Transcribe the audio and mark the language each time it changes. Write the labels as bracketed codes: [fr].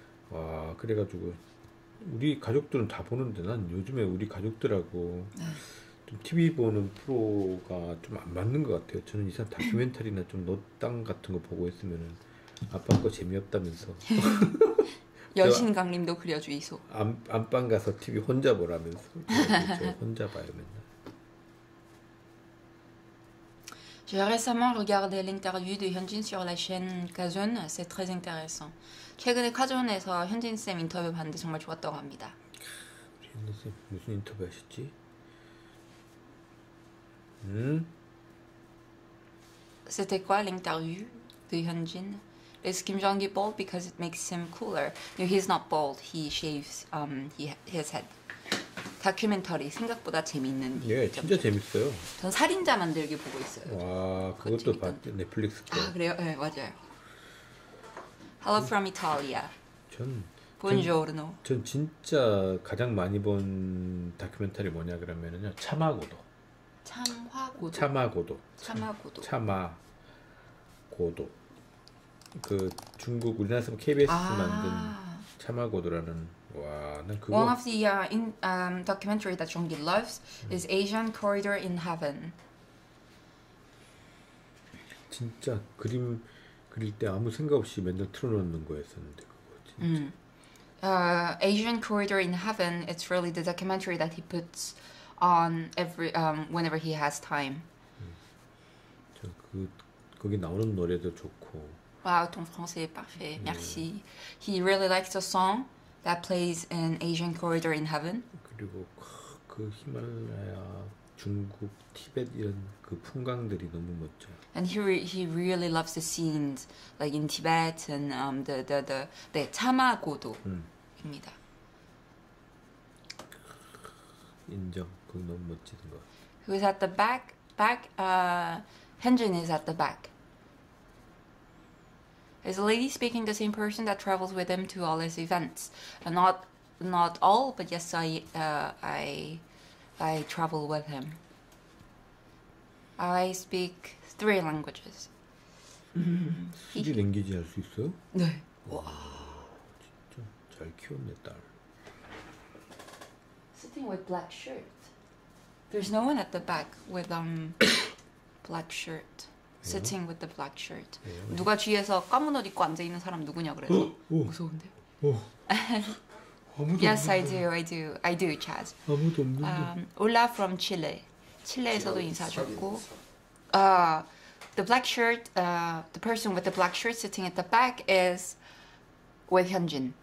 [ko] 와, 그래가지고 우리 가족들은 다 보는데 난 요즘에 우리 가족들하고 좀 TV 보는 프로가 좀안 맞는 것 같아요. 저는 이상 다큐멘터리나 좀 노땅 같은 거 보고 있으면은 아빠 거 재미없다면서. 여신 강림도 그려주이소. 안방 가서 TV 혼자 보라면서. 그래가지고 저 혼자 봐요, 맨날. [fr] J'ai récemment regardé l'interview de Hyunjin sur la chaîne Kazun, c'est très intéressant. [ko] 최근에 카존에서 현진 쌤 인터뷰 봤는데 정말 좋았다고 합니다. 무슨 인터뷰 하셨지? 응? [fr] C'était quoi l'interview de Hyunjin? [en] Is Kim Jong-il bald because it makes him cooler? No, he's not bald. He shaves his head. [ko] 다큐멘터리 생각보다 재밌는 예, 진짜 점점. 재밌어요. 전 살인자 만들기 보고 있어요. 와, 그건 그것도 봤 재밌던데. 넷플릭스 아, 거. 그래요? 네, 맞아요. [en] Hello from Italia. [ko] 전 [it] Buongiorno. [ko] 진짜 가장 많이 본 다큐멘터리 뭐냐 그러면은요, 참아고도. 참화고도. 참아고도. 참아고도. 참아고도. 그 중국 우리나라에서 KBS 만든 아. 참아고도라는. 와, 난 [en] One [ko] 그거. [en] of the documentary that Jeonggi loves is Asian Corridor in Heaven. [ko] 진짜 그림 그릴 때 아무 생각 없이 맨날 틀어놓는 거였었는데 그거 진짜. [en] Asian Corridor in Heaven, it's really the documentary that he puts on whenever he has time. [ko] 거기 나오는 노래도 좋고. [fr] Wow, ton français est parfait. Merci. [en] He really likes the song that plays in Asian Corridor in Heaven. [ko] 그리고 그 히말라야, 중국, 티벳 이런 그 풍광들이 너무 멋져요. [en] And he really loves the scenes like in Tibet and the [ko] 참아고도입니다. 인정. 그거 너무 멋지는 것 [en] Who's at the back? Hyunjin is at the back. Is the lady speaking the same person that travels with him to all his events? Not all, but yes, I travel with him. I speak three languages. [ko] 3D 랭귀지 할수 있어? 네. 와, 와. 진짜 잘 키웠네, 딸. [en] Sitting with black shirt. There's no one at the back with black shirt. Sitting with the black shirt. [ko] 누가 뒤에서 검은 옷 입고 앉아 있는 사람 누구냐 그래서 무서운데. 아무도 [en] Yes, [ko] 없는데. [en] I do, Chaz. [ko] 아무도 없는데. [en] Hola from Chile. [ko] 칠레에서도 인사하셨고. [en] The black shirt, the person with the black shirt sitting at the back is with Hyunjin.